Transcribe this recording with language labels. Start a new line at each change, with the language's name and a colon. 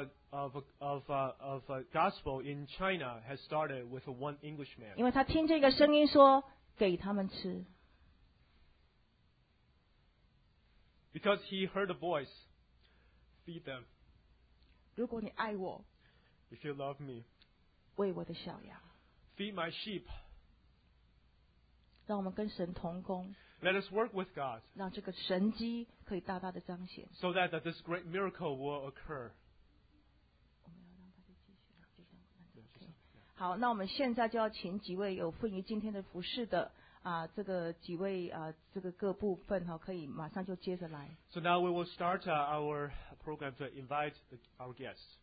English: The work of gospel in China has started with one Englishman.
Chinese: 因为他听这个声音说, 给他们吃。
English: Because he heard a voice, feed them.
Chinese: 如果你爱我,
English: if you love me,
Chinese: 喂我的小羊,
English: feed my sheep.
Chinese: 让我们跟神同工,
English: let us work with God,
Chinese: 让这个神迹可以大大的彰显,
English: so that this great miracle will occur.
Chinese: 好，那我们现在就要请几位有份于今天的服事的这个各部分可以马上就接着来。
English: So now we will start our program to invite our guests.